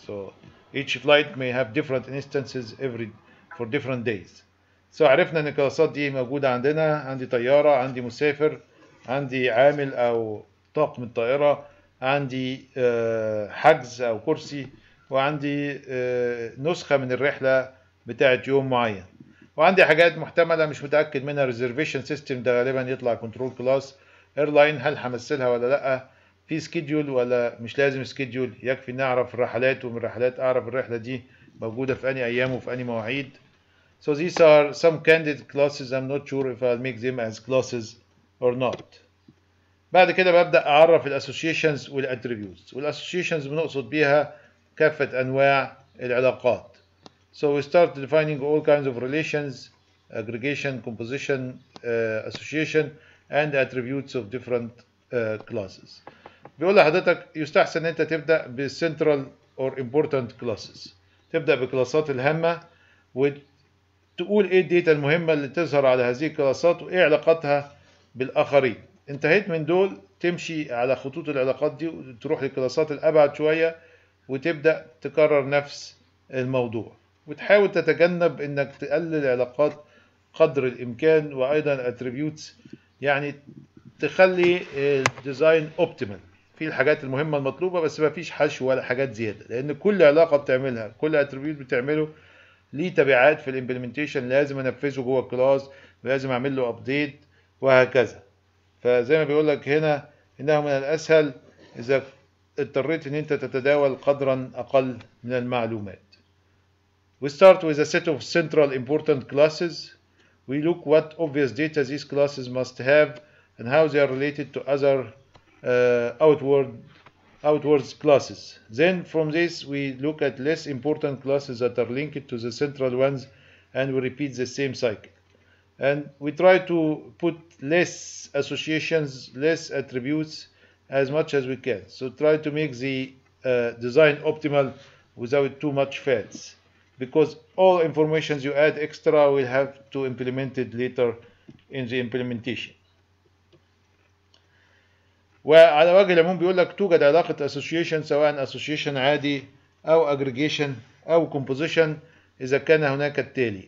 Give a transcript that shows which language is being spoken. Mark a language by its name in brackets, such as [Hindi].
[English] So each flight may have different instances every for different days. [Arabic] So عرفنا ان الكلاسات دي موجودة عندنا، عندي طيارة، عندي مسافر، عندي عامل او طاقم الطائرة، عندي حجز أو كرسي، وعندي نسخة من الرحلة بتاعت يوم معين، وعندي حاجات محتملة مش متأكد منها. reservation system ده غالبا يطلع control class. airline هل حمثلها ولا لأ، في schedule ولا مش لازم schedule، يكفي أن أعرف الرحلات، ومن الرحلات أعرف الرحلة دي موجودة في أي أيام وفي أي مواعيد. [English] So these are some candidate classes. I'm not sure if I'll make them as classes or not. [Arabic] بعد كده ببدأ أعرف الأسوشيشنز والأتريبيوتس. والأسوشيشنز بنقصد بيها كافة أنواع العلاقات. [English] So we start defining all kinds of relations, aggregation, composition, association, and attributes of different classes. [Arabic] بيقول لحضرتك يستحسن أنت تبدأ بال [English] central or important classes. [Arabic] تبدأ بكلاسات الهامة وتقول إيه الداتا المهمة اللي تظهر على هذه الكلاسات وإيه علاقتها بالآخرين. انتهيت من دول تمشي على خطوط العلاقات دي وتروح للكلاسات الأبعد شوية وتبدأ تكرر نفس الموضوع وتحاول تتجنب انك تقلل علاقات قدر الإمكان، وأيضا attributes يعني تخلي design optimal في الحاجات المهمة المطلوبة بس ما فيش حشو ولا حاجات زيادة، لأن كل علاقة بتعملها كل attribute بتعمله ليه تبعات في implementation، لازم أنفذه جوه الكلاس، لازم أعمل له update وهكذا. فزي ما بيقول لك هنا انه من الاسهل اذا اضطريت ان انت تتداول قدرا اقل من المعلومات. [English] We start with a set of central important classes. We look what obvious data these classes must have and how they are related to other outward classes. Then from this we look at less important classes that are linked to the central ones and we repeat the same cycle. And we try to put less associations, less attributes as much as we can. So try to make the design optimal without too much fats. Because all informations you add extra will have to implement it later in the implementation. [Arabic] وعلى وجه العموم بيقول لك توجد علاقة association سواء association عادي أو aggregation أو composition إذا كان هناك التالي.